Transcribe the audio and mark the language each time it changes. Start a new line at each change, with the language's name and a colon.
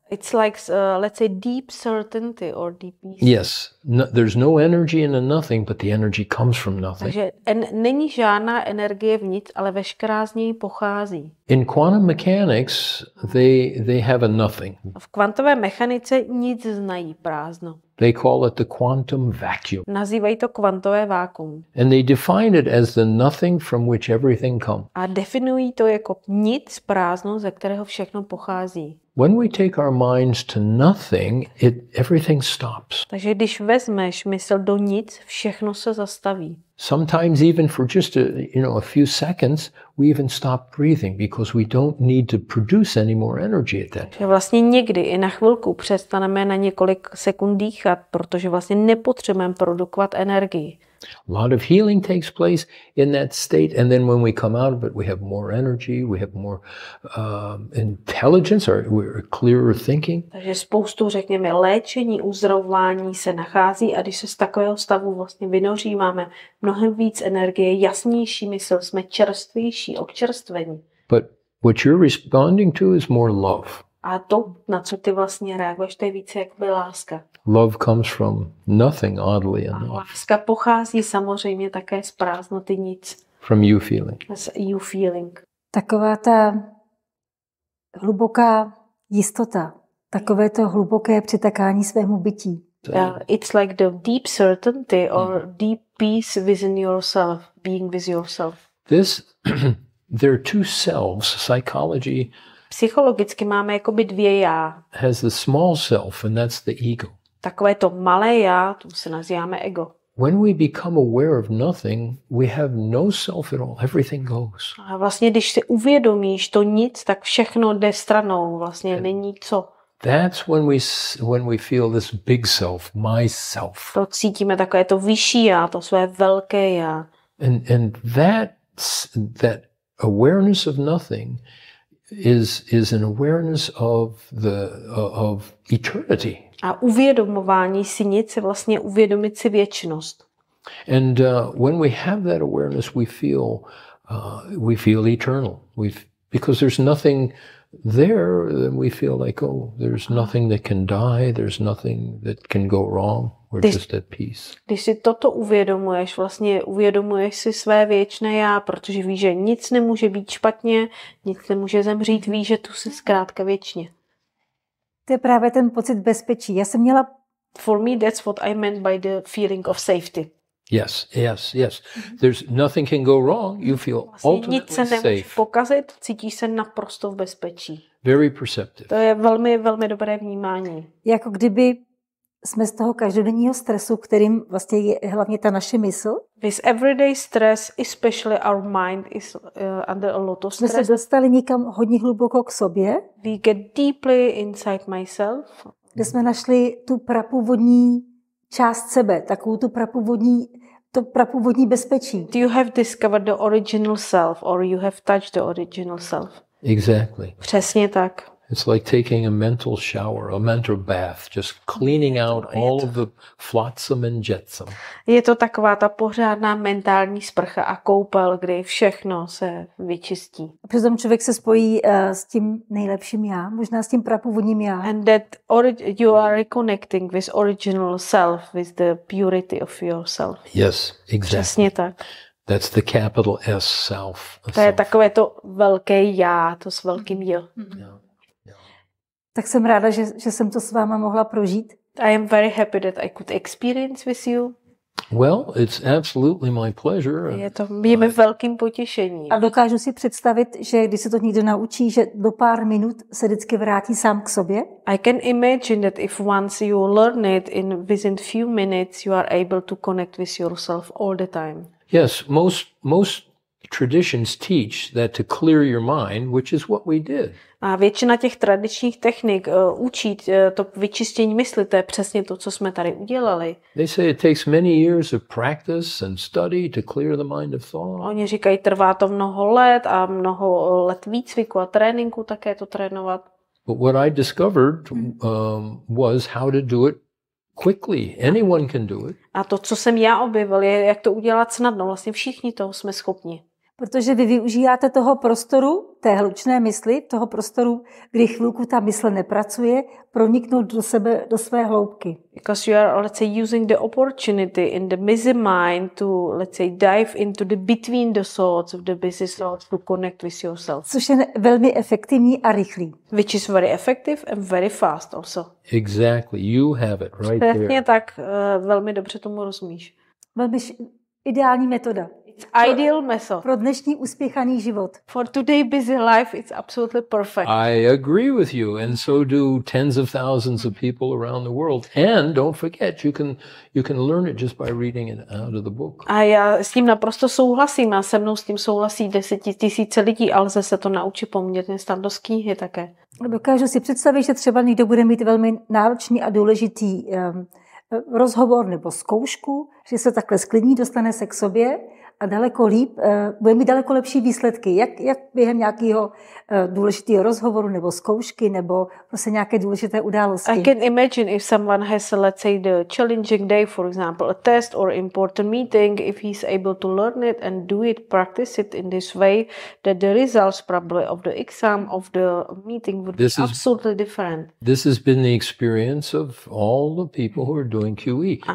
English: It's like, let's say, deep certainty or deep peace. Yes, no, there's no energy in a nothing, but the energy comes from nothing.
Czech: Takže není žádná energie v nic, ale veškerá z něj pochází.
English: In quantum mechanics, they have a nothing.
Czech: V kvantové mechanice nic znají prázdno.
English: They call it the quantum vacuum.
Czech: Nazývají to kvantové vákuum.
English: And they define it as the nothing from which everything comes.
Czech: A definují to jako nic prázdno, ze kterého všechno pochází.
English: When we take our minds to nothing, everything stops.
Czech: Takže když vezmeš mysl do nic, všechno se zastaví.
English: Sometimes even for just a few seconds, we even stop breathing because we don't need to produce any more energy at that time.
Czech: Vlastně někdy i na chvilku přestaneme na několik sekund dýchat, protože vlastně nepotřebujeme produkovat energii.
English: A lot of healing takes place in that state, and then when we come out of it, we have more energy, we have more intelligence, or we're clearer thinking.
Czech: Takže spoustu, řekněme, léčení, uzdravování se nachází, a když se z takového stavu vlastně vynoří, máme mnohem víc energie, jasnější mysl, jsme čerstvější, občerstvení.
English: But what you're responding to is more love.
Czech: A to, na co ty vlastně reaguješ, to je více jakoby láska.
English: Love comes from nothing, oddly enough.
Czech: Láska pochází samozřejmě také z prázdnoty nic.
English: From you feeling. Z you feeling.
Czech: Taková ta hluboká jistota. Takové to hluboké přitakání svému bytí.
English: It's like the deep certainty or deep peace within yourself, being with yourself. This, there are two selves, psychology.
Czech: Psychologicky máme jakoby dvě já.
English: Has the small self and that's the ego.
Czech: Takové to malé já, to se nazýváme ego.
English: When we become aware of nothing, we have no self at all. Everything goes.
Czech: A vlastně když si uvědomíš to nic, tak všechno jde stranou, vlastně and není co.
English: That's when we feel this big self, myself.
Czech: To cítíme takové to vyšší já, to své velké já.
English: And that awareness of nothing is an awareness of the of eternity.
Czech: A uvědomování si nic, vlastně uvědomit si věčnost.
English: And when we have that awareness, we feel eternal. Because there's nothing there, then we feel like, oh, there's nothing that can die, there's nothing that can go wrong. Just at peace.
Czech: Když si toto uvědomuješ, vlastně uvědomuješ si své věčné já, protože víš, že nic nemůže být špatně, nic nemůže zemřít, víš, že tu jsi zkrátka věčně. To je právě ten pocit bezpečí. Já jsem měla...
English: For me, that's what I meant by the feeling of safety. Yes, yes, yes. There's nothing can go wrong. You feel
Czech: vlastně
English: ultimately safe.
Czech: Nic se nemůže pokazit, cítíš se naprosto v bezpečí.
English: Very perceptive.
Czech: To je velmi, velmi dobré vnímání. Jako kdyby jsme z toho každodenního stresu, kterým vlastně je hlavně ta naše mysl.
English: This everyday stress, especially our mind, is under a lot of stress.
Czech: Jsme se dostali někam hodně hluboko k sobě.
English: We get deeply inside myself.
Czech: Kde jsme našli tu prapůvodní část sebe, takovou tu prapůvodní, to prapůvodní bezpečí.
English: Do you have discovered the original self, or you have touched the original self? Exactly.
Czech: Přesně tak.
English: It's like taking a mental shower, a mental bath, just cleaning out all of the flotsam and jetsam.
Czech: Je to taková ta pořádná mentální sprcha a koupel, kdy všechno se vyčistí. Přitom člověk se spojí s tím nejlepším já, možná s tím prapůvodním já.
English: And that you are reconnecting with original self, with the purity of yourself. Yes, exactly.
Czech: Přesně tak.
English: That's the capital S self.
Czech: To je takové to velké já, to s velkým jo. Tak jsem ráda, že jsem to s váma mohla prožít.
English: I am very happy that I could experience with you. Well, it's absolutely my pleasure.
Czech: Je mi velkým potěšením. A dokážu si představit, že když se to někdo naučí, že do pár minut se vždycky vrátí sám k sobě.
English: I can imagine that if once you learn it, within few minutes you are able to connect with yourself all the time. Yes, most traditions teach that to clear your mind, which is what we did.
Czech: A většina těch tradičních technik učí to vyčištění mysli, to je přesně to, co jsme tady udělali.
English: They say it takes many years of practice and study to clear the mind of thought.
Czech: Oni říkají, trvá to mnoho let a mnoho let výcviku a tréninku také to trénovat.
English: But what I discovered was how to do it quickly. Anyone can do it.
Czech: A to, co jsem já objevil, je, jak to udělat snadno. Vlastně všichni toho jsme schopni. Protože vy využíváte toho prostoru, té hlučné mysli, toho prostoru, kdy chvilku ta mysl nepracuje, proniknout do sebe, do své hloubky.
English: Because you are, let's say, using the opportunity in the busy mind to, let's say, dive into the between the thoughts of the busy thoughts to connect with yourself.
Czech: Což je velmi efektivní a rychlý.
English: Which is very effective and very fast also. Exactly, you have it right there.
Czech: Přesně tak, velmi dobře tomu rozumíš. Velmi ideální metoda.
English: Ideal method.
Czech: Pro dnešní uspěchaný život.
English: For today busy life, it's absolutely perfect. I agree with you, and so do tens of thousands of people around the world. And don't forget, you can learn it just by reading it out of the book.
Czech: A já s tím naprosto souhlasím, a se mnou s tím souhlasí 10 000 lidí, ale lze se to naučit poměrně snadno z knihy také. Dokážu si představit, že třeba někdo bude mít velmi náročný a důležitý rozhovor nebo zkoušku, že se takhle sklidní, dostane se k sobě, a daleko líp, bude mít daleko lepší výsledky, jak během nějakého důležitého rozhovoru nebo zkoušky nebo prostě nějaké důležité události.
English: I can imagine if someone has, let's say, the challenging day, for example, a test or important meeting, if he's able to learn it and do it, practice it in this way, that the results probably of the exam, of the meeting would this be absolutely different. This has been the experience of all the people who are doing QE.